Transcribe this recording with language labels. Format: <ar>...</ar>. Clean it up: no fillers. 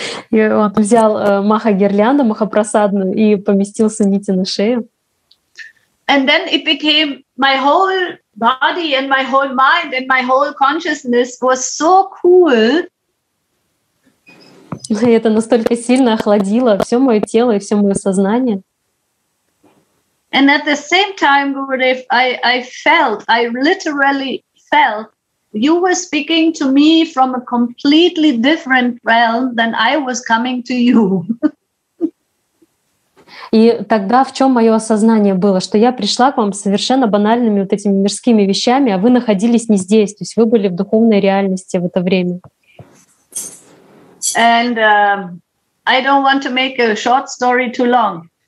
<ru>И он взял маха-гирлянду, маха-прасадную, и поместил Сунити на шею.</ru> <en>And then it became my whole body and my whole mind and my whole consciousness was so cool.</en> <ru>И это настолько сильно охладило все мое тело и все мое сознание.</ru> <en>And at the same time, Gurudev, I literally felt you were speaking to me from a completely different realm than I was coming to you.</en> <ru>И тогда в чем мое осознание было, что я пришла к вам совершенно банальными вот этими мирскими вещами, а вы находились не здесь, то есть вы были в духовной реальности в это время.</ru> <en>And I don't want to make a short story too long,</en>